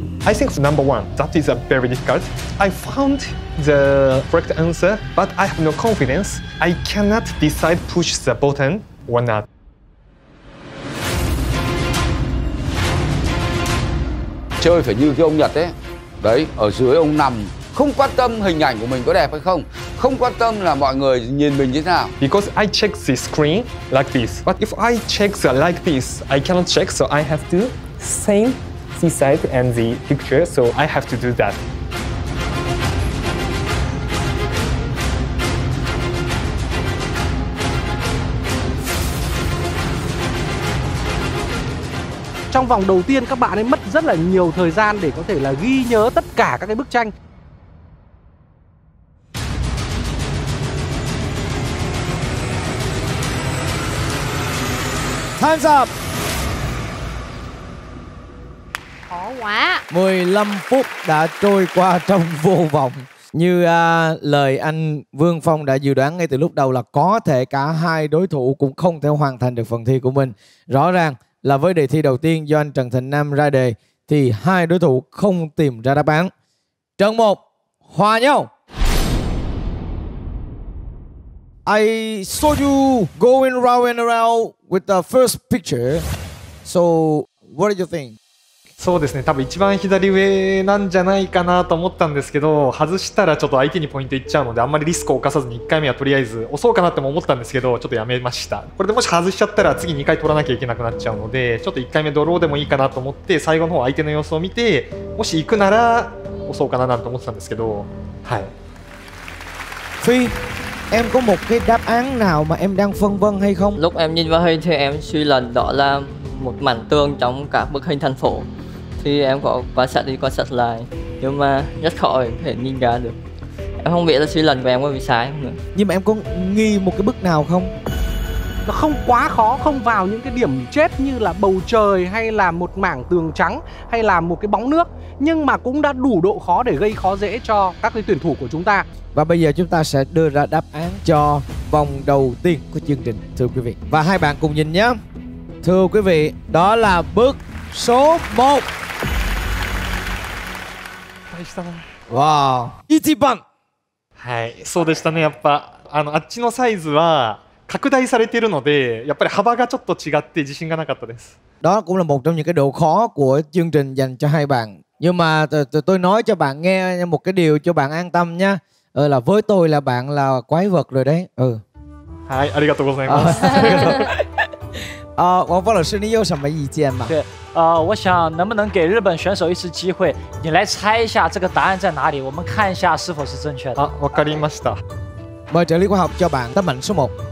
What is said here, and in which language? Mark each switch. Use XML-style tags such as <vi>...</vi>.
<en>I think number one, that is a very difficult. I found the correct answer, but I have no confidence. I cannot decide push the button or not.</en> <vi>Chơi phải như cái ông Nhật ấy. Đấy, ở dưới ông nằm, không quan tâm hình ảnh của mình có đẹp hay không, không quan tâm là mọi người nhìn mình như thế nào.</vi> <en>Because I check the screen like this, but if I check the like this, I cannot check, so I have to same the side and the picture, so I have to do that.</en> <vi>Trong vòng đầu tiên các bạn ấy mất rất là nhiều thời gian để có thể là ghi nhớ tất cả các cái bức tranh. Time's up. Khó quá. 15 phút đã trôi qua trong vô vọng. Như lời anh Vương Phong đã dự đoán ngay từ lúc đầu là có thể cả hai đối thủ cũng không thể hoàn thành được phần thi của mình. Rõ ràng là với đề thi đầu tiên do anh Trần Thành Nam ra đề thì hai đối thủ không tìm ra đáp án. Trận 1 hòa nhau.</vi> <en>I saw you going round and round with the first picture. So what do you think?</en> <ja>そうですね、多分一番左上なんじゃないかなと思ったんですけど、外したらちょっと相手にポイントいっちゃうので、あんまりリスクを犯さずに1回目はとりあえず押そうかなって思ったんですけど、ちょっとやめました。これでもし外しちゃったら次2回取らなきゃいけなくなっちゃうので、ちょっと1回目ドローでもいいかなと思って、最後の方相手の様子を見て、もし行くなら押そうかななんて思ってたんですけど、はい。</ja> <vi>フィー、em có một cái đáp án nào mà em đang phân vân hay không? Lúc em nhìn vào hình thì em suy luận đó là một mảnh tường trong cả bức hình thành phố. Thì em có quan sát đi quan sát lại, nhưng mà rất khó để có thể nhìn ra được. Em không biết là suy luận của em có bị sai không nữa. Nhưng mà em có nghi một cái bức nào không? Nó không quá khó, không vào những cái điểm chết như là bầu trời hay là một mảng tường trắng hay là một cái bóng nước, nhưng mà cũng đã đủ độ khó để gây khó dễ cho các cái tuyển thủ của chúng ta. Và bây giờ chúng ta sẽ đưa ra đáp án cho vòng đầu tiên của chương trình, thưa quý vị. Và hai bạn cùng nhìn nhé. Thưa quý vị, đó là bức số 1. Wow.</vi> <ja>1番.はい、そうでしたね。やっぱあっちのサイズは拡大されているので、やっぱり幅がちょっと違って自信がなかったです。</ja> <vi>Đó cũng là một trong những cái độ khó của chương trình dành cho hai bạn. Nhưng mà tôi nói cho bạn nghe một cái điều cho bạn an tâm nha. Là với tôi là bạn là quái vật rồi đấy. Ừ.</vi> <ja>Hai, arigato gozaimasu.</ja> <zh>王峰老师，你有什么意见吗？对，我想能不能给日本选手一次机会，你来猜一下这个答案在哪里，我们看一下是否是正确的。好，</zh> <ja>わかりました。</ja> <vi>Mời trợ lý khoa học cho bạn tấm ảnh số 1.</vi>